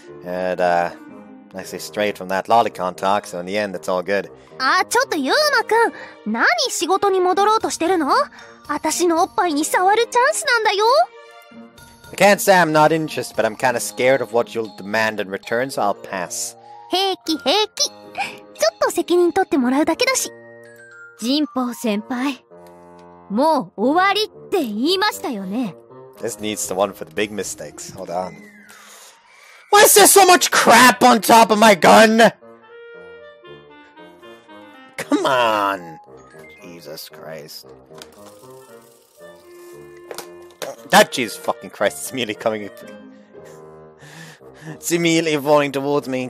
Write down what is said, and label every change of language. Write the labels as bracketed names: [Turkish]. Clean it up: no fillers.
[English] And, I say straight from that lolicon talk, so in the end, it's all good. [Japanese] Ah, ちょっとユーマくん、何仕事に戻ろうとしてるの？私のおっぱいに触るチャンスなんだよ。 [English] I can't say I'm not interested, but I'm kind of scared of what you'll demand in return, so I'll pass. [Japanese] 平気平気。ちょっと責任取ってもらうだけだし。仁宝先輩、もう終わりって言いましたよね。 [English] This needs the one for the big mistakes. Hold on. Why is there so much crap on top of my gun? Come on. Jesus Christ. That Jesus fucking Christ is immediately coming. It's immediately falling towards me.